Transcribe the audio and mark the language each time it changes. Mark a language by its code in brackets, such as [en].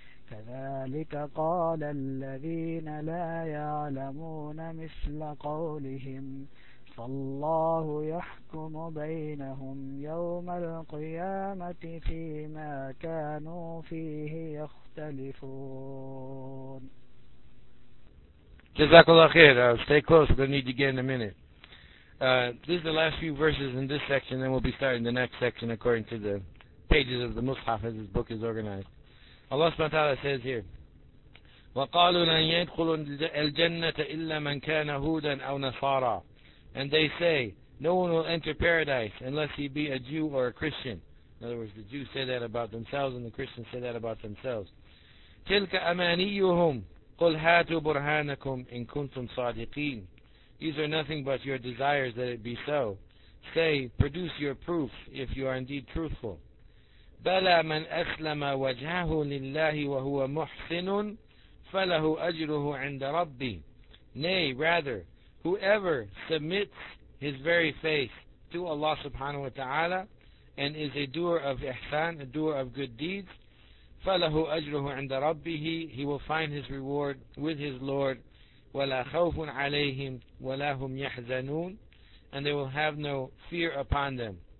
[ar] كذلك قال الذين لا يعلمون مثل قولهم فالله يحكم بينهم يوم القيامة فيما كانوا فيه يختلفون. جزاك الله خير. [en] Stay close. We'll need you again in a minute. This is the last few verses in this section, then we'll be starting the next section according to the pages of the Mus'haf as this book is organized. Allah subhanahu wa ta'ala says here, [ar] وَقَالُوا لَنْ يَدْخُلُوا الْجَنَّةَ إِلَّا مَنْ كَانَ هُودًا أَوْ نَصَارًا. [en] And they say, no one will enter paradise unless he be a Jew or a Christian. In other words, the Jews say that about themselves and the Christians say that about themselves. [ar] تِلْكَ أَمَانِيُّهُمْ, قل هاتوا برهانكم إن كنتم صادقين. [en] These are nothing but your desires that it be so. Say, produce your proof if you are indeed truthful. [ar] بلى من أسلم وجهه لله وهو محسن فله أجره عند ربي. [en] Nay, rather, whoever submits his very face to Allah subhanahu wa ta'ala and is a doer of ihsan, a doer of good deeds, [ar] فَلَهُ أَجْرُهُ عِنْدَ رَبِّهِ, [en] he will find his reward with his Lord, [ar] وَلَا خَوْفٌ عَلَيْهِمْ وَلَا هُمْ يَحْزَنُونَ, [en] and they will have no fear upon them.